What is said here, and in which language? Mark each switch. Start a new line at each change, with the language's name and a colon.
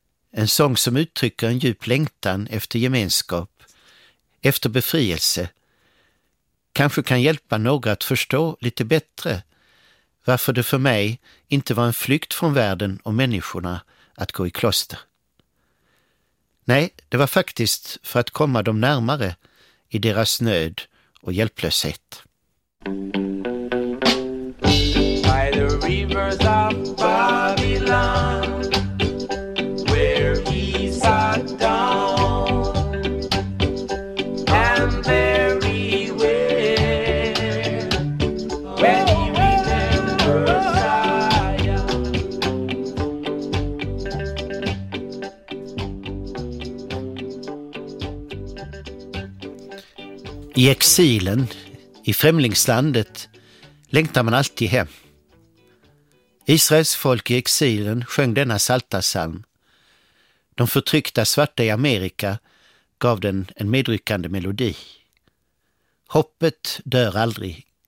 Swedish: En sång som uttrycker en djup längtan efter gemenskap, efter befrielse, kanske kan hjälpa några att förstå lite bättre varför det för mig inte var en flykt från världen och människorna att gå i kloster. Nej, det var faktiskt för att komma dem närmare i deras nöd och hjälplöshet.
English: By the rivers of Babylon, where he sat down, and there he went, when he remembered Zion.
Swedish: I exilen, i främlingslandet, längtar man alltid hem. Israels folk i exilen sjöng denna psaltarpsalm. De förtryckta svarta i Amerika gav den en medryckande melodi. Hoppet dör aldrig.